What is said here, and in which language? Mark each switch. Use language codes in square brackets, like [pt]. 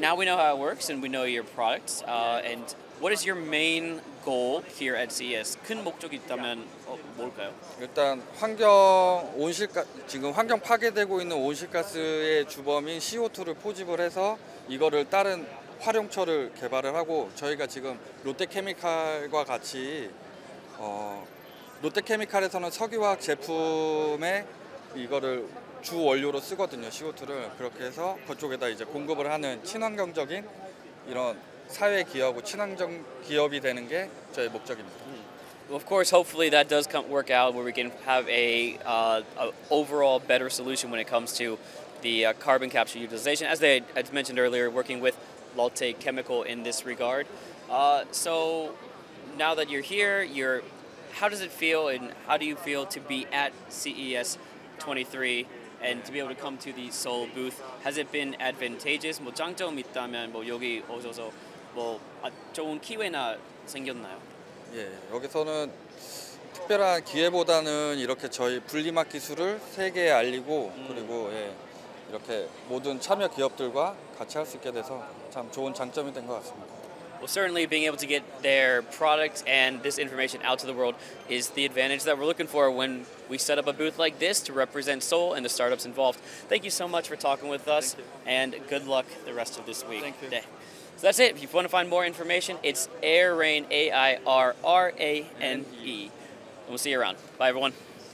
[en] Now we know how it works and we know your products. And what is your main goal here at CES? [ko] 큰 목적이 있다면 뭘까요? 일단 환경 온실가스 지금 환경 파괴되고 있는 온실가스의 주범인 CO2를 포집을 해서 이거를 다른 활용처를 개발을 하고 저희가 지금 롯데케미칼과 같이 롯데케미칼에서는 석유화학 제품에 이거를 주 원료로 쓰거든요. CO2를 그렇게 해서 그쪽에다 이제 공급을 하는 친환경적인 이런 사회 기업하고 친환경 기업이 되는 게 저희 목적입니다. [en] Of course, hopefully that does come work out where we can have a overall better solution when it comes to the carbon capture utilization as they had mentioned earlier working with Lotte Chemical in this regard. So now that you're here, how does it feel and how do you feel to be at CES 23 and to be able to come to the Seoul booth? Has it been advantageous? [ko] 뭐 장점 있다면 뭐 여기 오셔서 뭐 좋은 기회나 생겼나요? 예, 여기서는 특별한 기회보다는 이렇게 저희 분리막 기술을 세계에 알리고 그리고 예, 이렇게 모든 참여 기업들과 같이 할 수 있게 돼서 참 좋은 장점이 된 것 같습니다. [en] Well, certainly being able to get their products and this information out to the world is the advantage that we're looking for when we set up a booth like this to represent Seoul and the startups involved. Thank you so much for talking with us and good luck the rest of this week. Thank you. So that's it. If you want to find more information, it's AIRRANE, A-I-R-R-A-N-E. And we'll see you around. Bye, everyone.